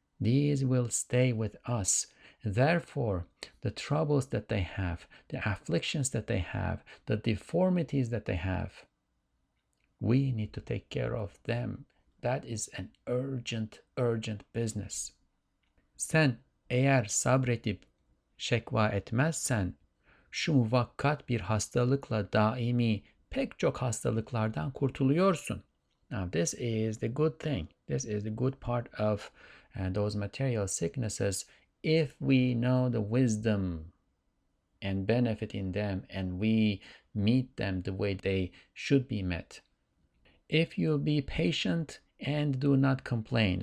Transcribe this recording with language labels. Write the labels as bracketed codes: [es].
[en] These will stay with us. Therefore, the troubles that they have, the afflictions that they have, the deformities that they have, we need to take care of them. That is an urgent, urgent business. [tr] Sen eğer sabredip şekva etmezsen, şu muvakkat bir hastalıkla daimi pek çok hastalıklardan kurtuluyorsun. [en] Now, this is the good thing. This is the good part of those material sicknesses. If we know the wisdom and benefit in them and we meet them the way they should be met. If you be patient and do not complain.